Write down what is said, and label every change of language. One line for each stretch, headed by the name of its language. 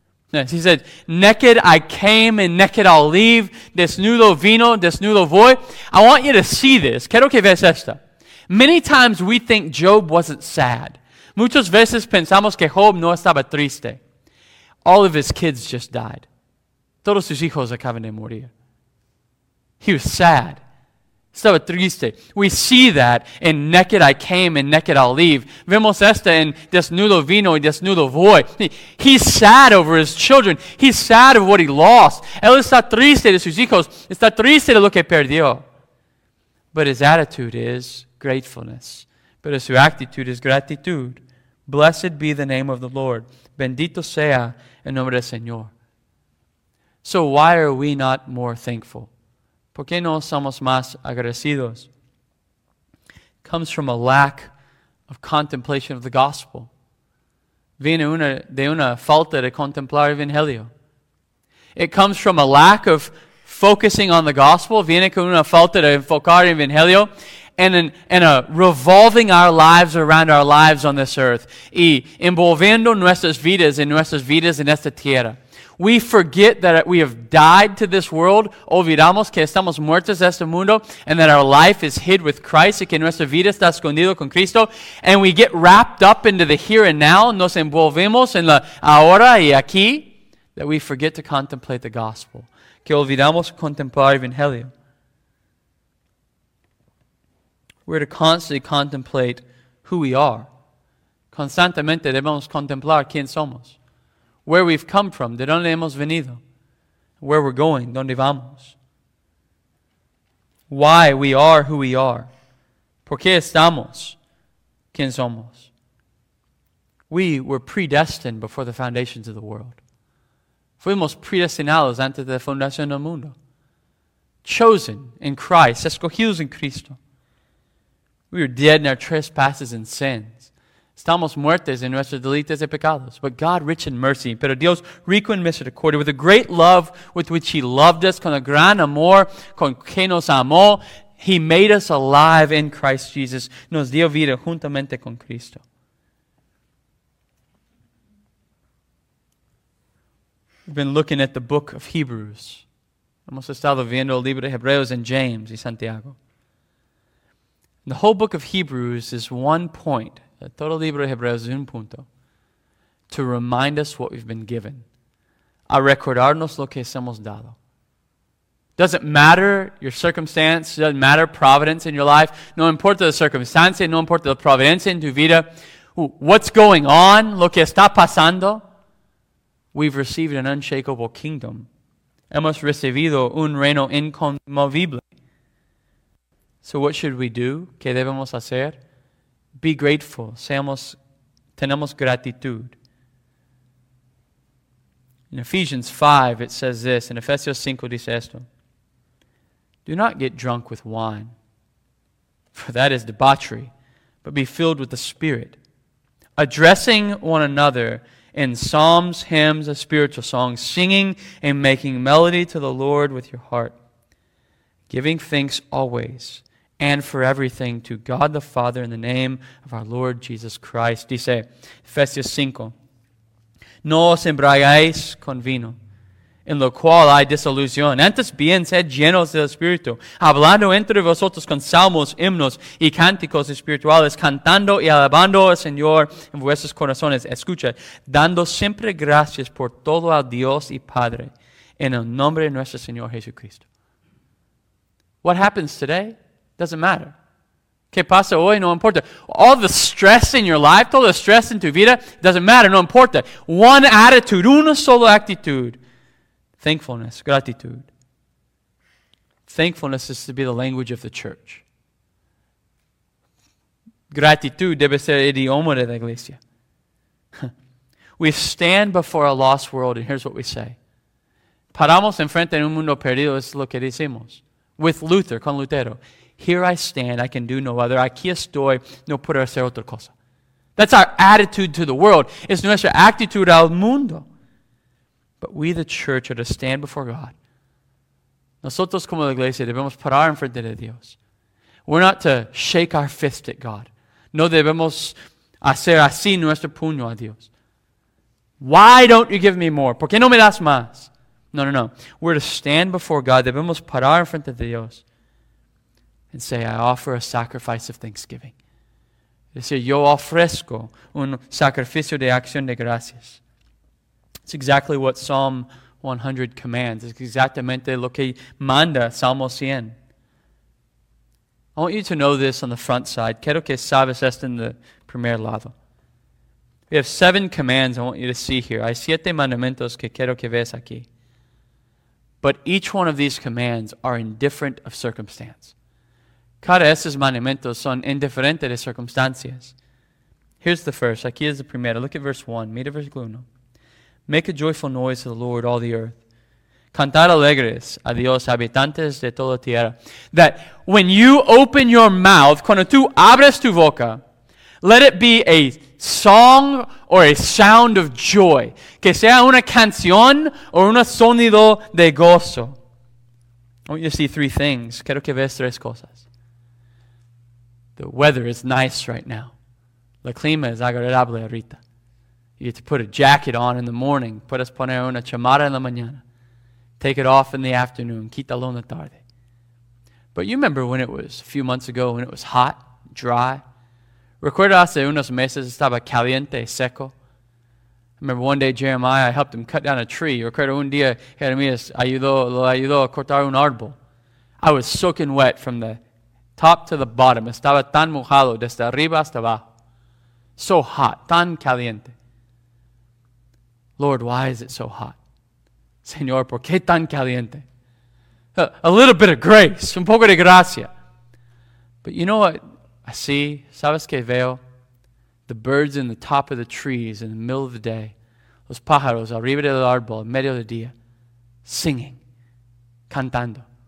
English: Yes, he said, naked I came and naked I'll leave,
Spanish: desnudo vino, desnudo voy.
English: I want you to see this.
Spanish: Quiero que veas esto.
English: Many times we think Job wasn't sad.
Spanish: Muchas veces pensamos que Job no estaba triste.
English: All of his kids just died.
Spanish: Todos sus hijos acaban de morir.
English: He was sad.
Spanish: Estaba triste.
English: We see that in naked I came and naked I'll leave.
Spanish: Vemos esta en desnudo vino y desnudo voy.
English: He's sad over his children. He's sad of what he lost.
Spanish: Él está triste de sus hijos. Está triste de lo que perdió.
English: But his attitude is gratefulness.
Spanish: Pero su actitud es gratitud.
English: Blessed be the name of the Lord.
Spanish: Bendito sea el nombre del Señor.
English: So why are we not more thankful?
Spanish: ¿Por qué no somos más agradecidos?
English: Comes from a lack of contemplation of the gospel.
Spanish: Viene de una falta de contemplar el evangelio.
English: It comes from a lack of focusing on the gospel.
Spanish: Viene con una falta de enfocar el evangelio.
English: And a revolving our lives around our lives on this earth.
Spanish: Y envolviendo nuestras vidas en esta tierra.
English: We forget that we have died to this world.
Spanish: Olvidamos que estamos muertos a este mundo.
English: And that our life is hid with Christ.
Spanish: Y que nuestra vida está escondida con Cristo.
English: And we get wrapped up into the here and now.
Spanish: Nos envolvemos en la ahora y aquí.
English: That we forget to contemplate the gospel.
Spanish: Que olvidamos contemplar el evangelio.
English: We're to constantly contemplate who we are.
Spanish: Constantemente debemos contemplar quién somos.
English: Where we've come from,
Spanish: de donde hemos venido,
English: where we're going,
Spanish: donde vamos,
English: why we are who we are,
Spanish: por qué estamos, quién somos.
English: We were predestined before the foundations of the world.
Spanish: Fuimos predestinados antes de la fundación del mundo.
English: chosen in Christ,
Spanish: escogidos en Cristo.
English: We are dead in our trespasses and sins.
Spanish: Estamos muertos en nuestros delitos y pecados.
English: But God, rich in mercy,
Spanish: pero Dios rico en misericordia,
English: with the great love with which He loved us,
Spanish: con el gran amor con que nos amó,
English: He made us alive in Christ Jesus.
Spanish: Nos dio vida juntamente con Cristo.
English: We've been looking at the book of Hebrews.
Spanish: Hemos estado viendo el libro de Hebreos en James y Santiago.
English: The whole book of Hebrews is one point.
Spanish: Todo el libro de Hebreos es un punto.
English: To remind us what we've been given.
Spanish: A recordarnos lo que hemos dado.
English: Doesn't matter your circumstance. Doesn't matter providence in your life.
Spanish: No importa la circunstancia. No importa la providencia en tu vida.
English: What's going on?
Spanish: Lo que está pasando.
English: We've received an unshakable kingdom.
Spanish: Hemos recibido un reino inconmovible.
English: So what should we do?
Spanish: ¿Qué debemos hacer?
English: Be grateful.
Spanish: Tenemos gratitud.
English: In Ephesians 5, it says this. In Ephesians 5,
Spanish: dice esto.
English: Do not get drunk with wine, for that is debauchery, but be filled with the Spirit, addressing one another in psalms, hymns, and spiritual songs, singing and making melody to the Lord with your heart, giving thanks always and for everything to God the Father in the name of our Lord Jesus Christ.
Spanish: Dice, Efesios 5, no os embriagáis con vino, en lo cual hay desilusión. Antes bien, sed llenos del Espíritu, hablando entre vosotros con salmos, himnos y cánticos espirituales, cantando y alabando al Señor en vuestros corazones. Escucha, dando siempre gracias por todo a Dios y Padre, en el nombre de nuestro Señor Jesucristo.
English: What happens today? Doesn't matter.
Spanish: ¿Qué pasa hoy? No importa.
English: All the stress in your life,
Spanish: todo el stress en tu vida,
English: doesn't matter.
Spanish: No importa.
English: One attitude,
Spanish: una sola actitud.
English: Thankfulness, gratitude. Thankfulness is to be the language of the church.
Spanish: Gratitud debe ser el idioma de la iglesia.
English: We stand before a lost world, and here's what we say.
Spanish: Paramos enfrente de un mundo perdido, es lo que decimos.
English: With Luther,
Spanish: con Lutero.
English: Here I stand, I can do no other.
Spanish: Aquí estoy, no puedo hacer otra cosa.
English: That's our attitude to the world.
Spanish: Es nuestra actitud al mundo.
English: But we, the church, are to stand before God.
Spanish: Nosotros como la iglesia debemos parar en frente de Dios.
English: We're not to shake our fist at God.
Spanish: No debemos hacer así nuestro puño a Dios.
English: Why don't you give me more?
Spanish: ¿Por qué no me das más?
English: No, no, no. We're to stand before God.
Spanish: Debemos parar en frente de Dios.
English: And say, I offer a sacrifice of thanksgiving.
Spanish: Decir, yo ofrezco un sacrificio de acción de gracias.
English: It's exactly what Psalm 100 commands. It's
Spanish: exactamente lo que manda Salmo 100.
English: I want you to know this on the front side.
Spanish: Quiero que sabes esto en el primer lado.
English: We have 7 commands I want you to see here.
Spanish: Hay 7 mandamientos que quiero que veas aquí.
English: But each one of these commands are indifferent of circumstance.
Spanish: Cada esos mandamientos son indiferentes de circunstancias.
English: Here's the first.
Spanish: Aquí es el primero.
English: Look at verse 1.
Spanish: Mira versículo 1.
English: Make a joyful noise to the Lord, all the earth.
Spanish: Cantar alegres a Dios, habitantes de toda tierra.
English: That when you open your mouth,
Spanish: cuando tú abres tu boca,
English: let it be a song or a sound of joy.
Spanish: Que sea una canción o un sonido de gozo.
English: I want you to see 3 things.
Spanish: Quiero que veas 3 cosas.
English: The weather is nice right now.
Spanish: La clima es agradable ahorita.
English: You get to put a jacket on in the morning.
Spanish: Puedes poner una chamarra en la mañana.
English: Take it off in the afternoon.
Spanish: Quítalo en la tarde.
English: But you remember when it was a few months ago when it was hot, dry?
Spanish: Recuerda hace unos meses estaba caliente, seco.
English: I remember one day Jeremiah, I helped him cut down a tree.
Spanish: Recuerda un día Jeremías lo ayudó a cortar un árbol.
English: I was soaking wet from the top to the bottom.
Spanish: Estaba tan mojado desde arriba hasta abajo.
English: So hot,
Spanish: tan caliente.
English: Lord, why is it so hot?
Spanish: Señor, ¿por qué tan caliente?
English: A little bit of grace,
Spanish: un poco de gracia.
English: But you know what I see?
Spanish: ¿Sabes qué veo?
English: The birds in the top of the trees in the middle of the day.
Spanish: Los pájaros arriba del árbol, en medio del día.
English: Singing.
Spanish: Cantando.